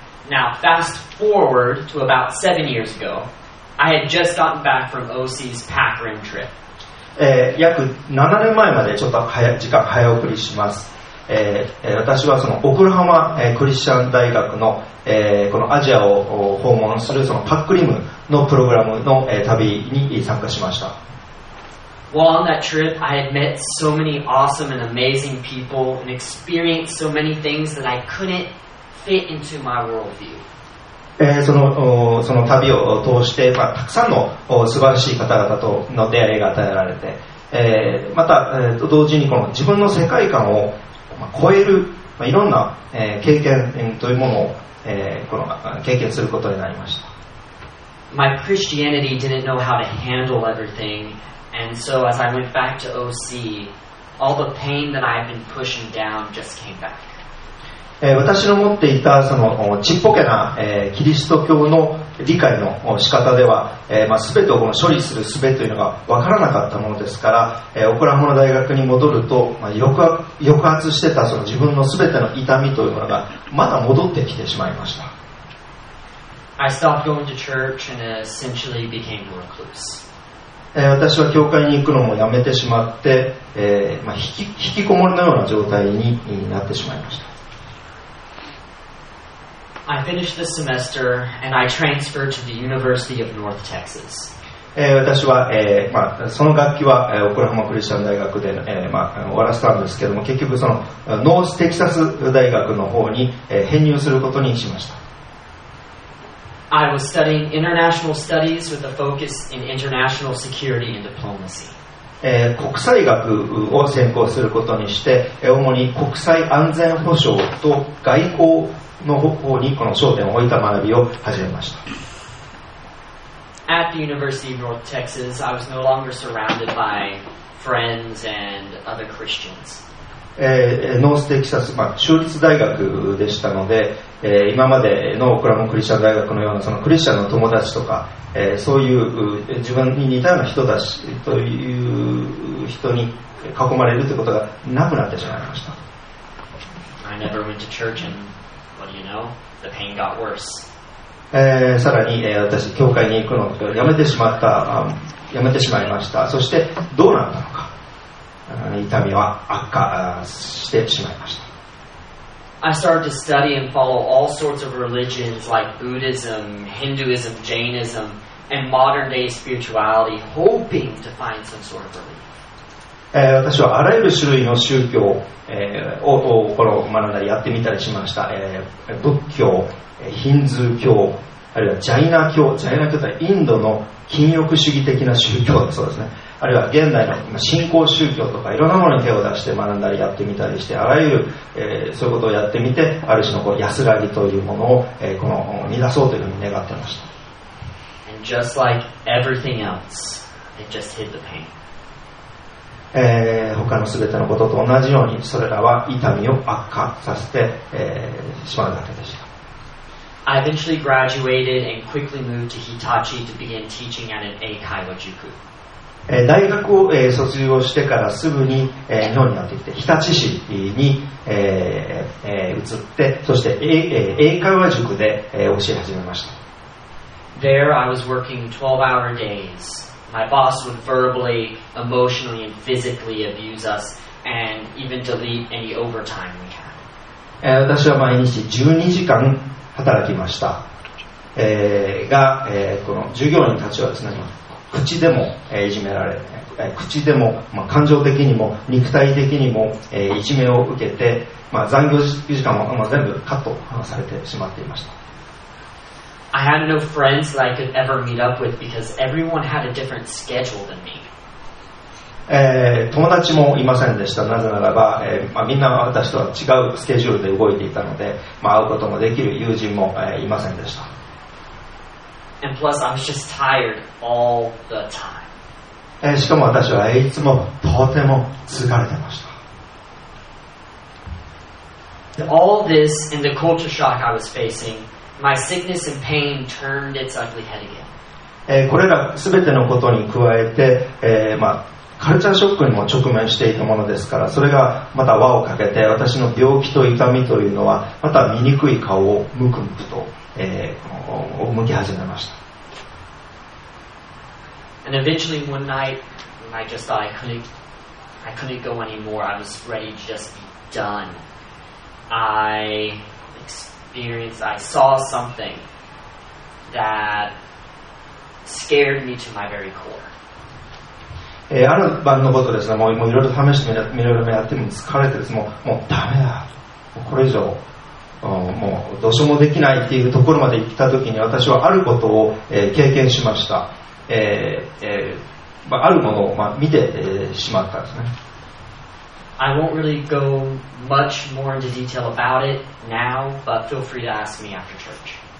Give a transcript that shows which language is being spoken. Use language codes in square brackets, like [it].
[en] Now, fast forward to about 7 years ago, I had just gotten back from OC's pack rim trip. [ja] 約7年前までちょっと早時間早送りします、私はそのオクラホマ、クリスチャン大学の、このアジアを訪問するそのパックリムのプログラムの、旅に参加しました。 [en] Well, on that trip, I had met so many awesome and amazing people and experienced so many things that I couldn't fit into my worldview. [ja] その旅を通して、まあ、たくさんの素晴らしい方々との出会いが与えられて、また、同時にこの自分の世界観を超える、まあ、いろんな、経験というものを、この経験することになりました。 [en] My Christianity didn't know how to handle everything, and so as I went back to OC, all the pain that I've been pushing down just came back. [ja] 私の持っていたそのちっぽけな、キリスト教の理解の仕方では、まあ、全てをこの処理する術というのが分からなかったものですから、オクラホマ大学に戻ると、まあ、抑圧してたその自分の全ての痛みというものがまた戻ってきてしまいました。 [en] I stopped going to church and essentially became recluse. [ja] 私は教会に行くのもやめてしまって、まあ、引きこもりのような状態になってしまいました。 [en] I finished the semester and I transferred to the University of North Texas. [ja] 私は、まあ、その学期は、オクラホマクリスチャン大学で、まあ、終わらせたんですけども、結局そのノーステキサス大学の方に、編入することにしました。 [en] I was studying international studies with a focus in international security and diplomacy. [ja] 国際学を専攻することにして、主に国際安全保障と外交の方向にこの焦点を置いた学びを始めました。 [en] At the University of North Texas, I was no longer surrounded by friends and other Christians. [ja] ノーステキサス、まあ、州立大学でしたので、今までのクラモンクリスチャン大学のようなそのクリスチャンの友達とか、そういう自分に似たような人たちという人に囲まれるということがなくなってしまいました。 [en] I never went to church and what do you know? The pain got worse. [ja] さらに、私教会に行くのをやめてしまった、やめてしまいました。そしてどうなったのか、痛みは悪化してしまいました。 [en] I started to study and follow all sorts of religions like Buddhism, Hinduism, Jainism, and modern-day spirituality, hoping to find some sort of relief. [ja] 私はあらゆる種類の宗教、をこの学んだりやってみたりしました。仏教、ヒンズー教、あるいはジャイナ教、ジャイナ教とはインドの禁欲主義的な宗教だそうですね。あるいは現代の信仰宗教とかいろんなものに手を出して学んだりやってみたりして、あらゆる、そういうことをやってみて、ある種のこう安らぎというものを、この見出そうというふうに願ってました。 [en] And just like everything else, it just hit the pain. [ja] 他の全てのことと同じようにそれらは痛みを悪化させて、しまうだけでした。 [en] I eventually graduated and quickly moved to Hitachi to begin teaching at an Eikai no Juku. [ja] 大学を卒業してからすぐに日本にやってきて日立市に移って、そして英会話塾で教え始めました。 [en] There I was working 12-hour days. My boss would verbally, emotionally, and physically abuse us and even delete any overtime we had. [ja] 私は毎日12時間働きました。が、この従業員たちはですね、口でもいじめられ、口でも、まあ、感情的にも肉体的にも、いじめを受けて、まあ、残業時間も、まあ、全部カットされてしまっていました。 [en] I had no friends that I could ever meet up with because everyone had a different schedule than me. [ja] 友達もいませんでした。なぜならば、まあ、みんな私とは違うスケジュールで動いていたので、まあ、会うこともできる友人も、いませんでした。 [en] And plus, I was just tired all the time. [ja] しかも私はいつもとても疲れてました。 [en] All this and the culture shock I was facing, my sickness and pain turned its ugly head again. [ja] これらすべてのことに加えて、まあ、カルチャーショックにも直面していたものですから、それがまた輪をかけて私の病気と痛みというのはまた醜い顔をむくむくと。向き始めました。 [en] And eventually one night when I just thought I couldn't go anymore, I was ready to just be done. I saw something that scared me to my very core. [ja] ある晩のことですね、もういろいろ試してみろいろやっても疲れてです。もうダメだ、これ以上もうどうしようもできないっていうところまで行った時に、私はあることを経験しました。あるものを見てしまったんですね。 [en] I won't really go much more into detail about it now, but feel free to ask me after church.